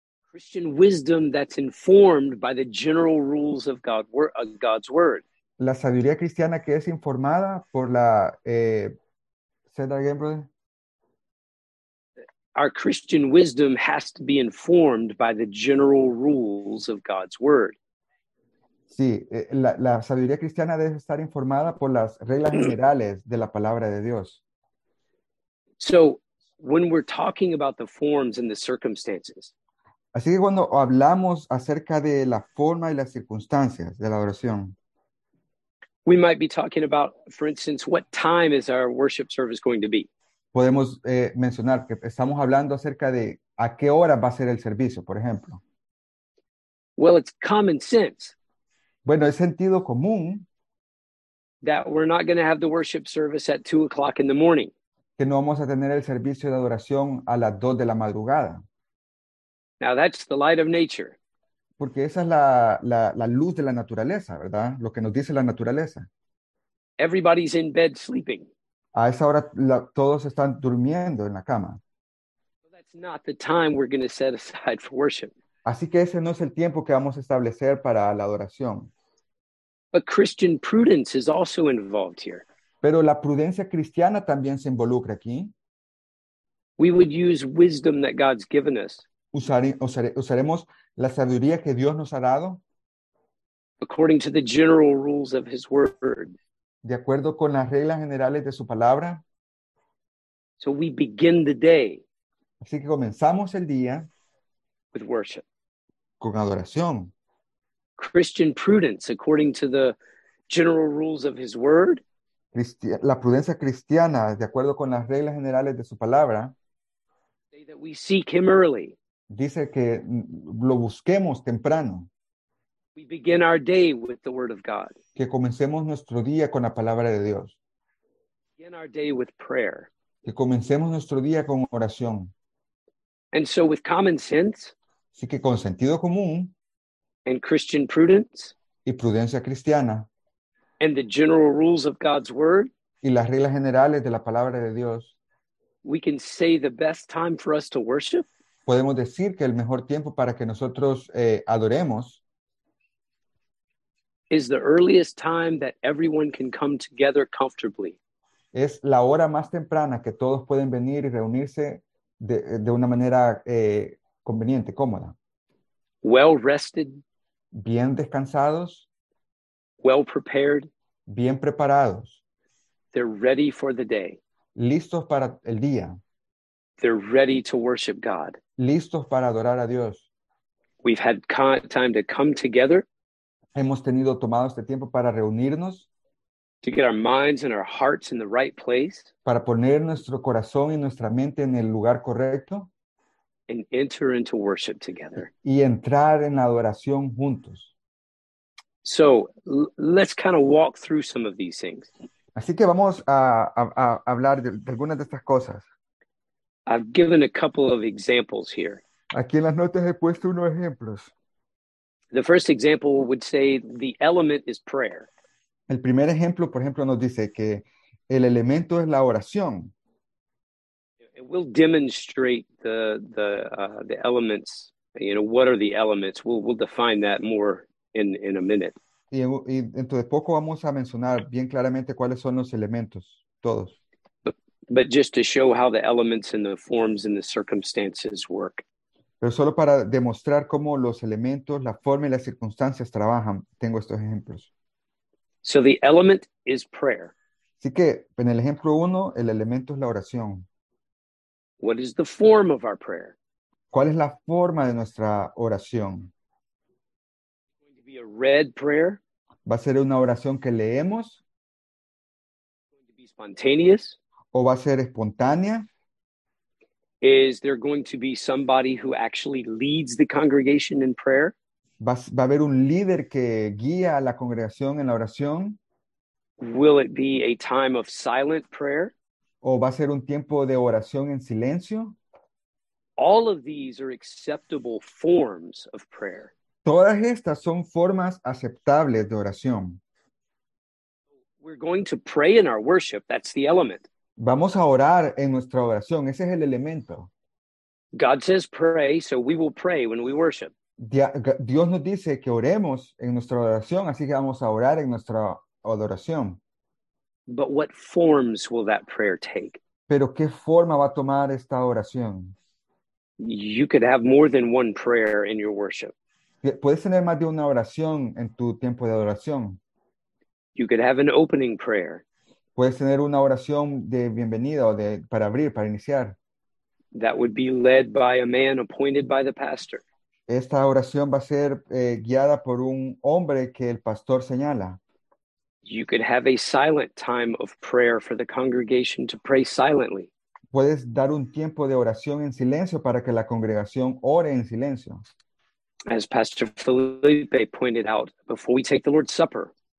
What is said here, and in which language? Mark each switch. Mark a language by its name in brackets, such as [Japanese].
[English] Christian wisdom that's informed by the general rules of God's word. [Spanish] La sabiduría cristiana que es informada por la [English] say that again, brother. Our Christian wisdom has to be informed by the general rules of God's word. [Spanish] Sí, la sabiduría cristiana debe estar informada por las reglas generales de la palabra de Dios. [English] So, when we're talking about the forms and the circumstances, [Spanish] así que cuando hablamos acerca de la forma y las circunstancias de la adoración, [English] we might be talking about, for instance, what time is our worship service going to be? [Spanish] Podemos mencionar que estamos hablando acerca de a qué hora va a ser el servicio, por ejemplo. [English] Well, it's common sense. [Spanish] Bueno, es sentido común [English] that we're not going to have the worship service at 2 o'clock in the morning. [Spanish] Que no vamos a tener el servicio de adoración a las 2 de la madrugada. [English] Now that's the light of nature. [Spanish] Porque esa es la luz de la naturaleza, ¿verdad? Lo que nos dice la naturaleza. [English] Everybody's in bed sleeping. [Spanish] A esa hora todos están durmiendo en la cama. [English] Well, that's not the time we're going to set aside for worship. [Spanish] Así que ese no es el tiempo que vamos a establecer para la adoración. [English] But Christian prudence is also involved here. [Spanish] Pero la prudencia cristiana también se involucra aquí. [English] We would use wisdom that God's given us. [Spanish] Usaremos la sabiduría que Dios nos ha dado. [English] According to the general rules of his word. [Spanish] De acuerdo con las reglas generales de su palabra. [English] So we begin the day. [Spanish] Así que comenzamos el día. [English] With worship. [Spanish] Con adoración. [English] Christian prudence according to the general rules of his word. [Spanish] La prudencia cristiana de acuerdo con las reglas generales de su palabra. [English] Say that we seek him early. [Spanish] Dice que lo busquemos temprano. [English] We begin our day with the word of God. [Spanish] Que comencemos nuestro día con la palabra de Dios. [English] Begin our day with prayer. [Spanish] Que comencemos nuestro día con oración. [English] And so with common sense. [Spanish] Así que con sentido común. [English] And Christian prudence. [Spanish] Y prudencia cristiana. [English] And the general rules of God's word. [Spanish] Y las reglas generales de la palabra de Dios. [English] We can say the best time for us to worship. [Spanish] Podemos decir que el mejor tiempo para que nosotros adoremos [English] is the earliest time that everyone can come together comfortably. [Spanish] Es la hora más temprana que todos pueden venir y reunirse de una manera conveniente, cómoda. [English] Well rested. [Spanish] Bien descansados. [English] Well prepared. [Spanish] Bien preparados. [English] They're ready for the day. [Spanish] Listos para el día. [English] They're ready to worship God. [Spanish] Listos para adorar a Dios. [English] We've had time to come together. [Spanish] Hemos tenido tomado este tiempo para reunirnos. [English] To get our minds and our hearts in the right place. [Spanish] Para poner nuestro corazón y nuestra mente en el lugar correcto. [English] And enter into worship together. [Spanish] Y entrar en la adoración juntos. [English] So let's kind of walk through some of these things. [Spanish] Así que vamos a hablar de algunas de estas cosas. [English] I've given a couple of examples here. [Spanish] Aquí en las notas he puesto unos ejemplos. [English] The first example would say the element is prayer. [Spanish] El primer ejemplo, por ejemplo, nos dice que el elemento es la oración. [English] And we'll demonstrate the elements. You know, what are the elements? We'll define that more in a minute. [Spanish] Y dentro de poco vamos a mencionar bien claramente cuáles son los elementos, todos. [English] But just to show how the elements and the forms and the circumstances work. [Spanish] Pero solo para demostrar cómo los elementos, la forma y las circunstancias trabajan, tengo estos ejemplos. [English] So the element is prayer. [Spanish] Así que en el ejemplo uno, el elemento es la oración. [English] What is the form of our prayer? [Spanish] ¿Cuál es la forma de nuestra oración? [English] Going to be a read prayer. [Spanish] ¿Va a ser una oración que leemos? [English] Going to be spontaneous. [Spanish] ¿O va a ser espontánea? [English] Is there going to be somebody who actually leads the congregation in prayer? [Spanish] ¿Va a haber un líder que guía a la congregación en la oración? [English] Will it be a time of silent prayer? [Spanish] ¿O va a ser un tiempo de oración en silencio? [English] All of these are acceptable forms of prayer. [Spanish] Todas estas son formas aceptables de oración. [English] We're going to pray in our worship. That's the element. [Spanish] Vamos a orar en nuestra oración. Ese es el elemento. [English] God says pray, so we will pray when we worship. [Spanish] Dios nos dice que oremos en nuestra oración, así que vamos a orar en nuestra adoración. [English] But what forms will that prayer take? [Spanish] ¿Pero qué forma va a tomar esta oración? [English] You could have more than one prayer in your worship. [Spanish] Puedes tener más de una oración en tu tiempo de adoración. [English] You could have an opening prayer. [Spanish] Puedes tener una oración de bienvenida o de para abrir, para iniciar. [English] That would be led by a man appointed by the pastor. [Spanish] Esta oración va a ser guiada por un hombre que el pastor señala. [English] You could have a silent time of prayer for the congregation to pray silently. [Spanish] Puedes dar un tiempo de oración en silencio para que la congregación ore en silencio. [English] As Pastor Felipe pointed out, before we take the Lord's Supper.